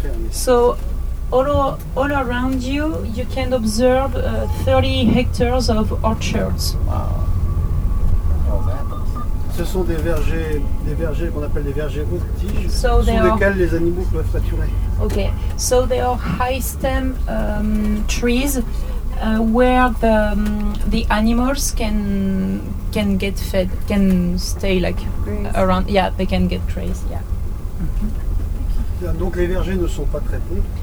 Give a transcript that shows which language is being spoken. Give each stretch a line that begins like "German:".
English: So all around you, you can observe 30 hectares of orchards. Wow.
French: Ce sont des vergers qu'on appelle des vergers haute tige, sous lesquels les animaux peuvent pâturer.
English: Okay, so they are high stem trees where the animals can get fed, can stay like graze. Around. Yeah, they can get grazed. Yeah.
French: Mm-hmm. Donc les vergers ne sont pas traités.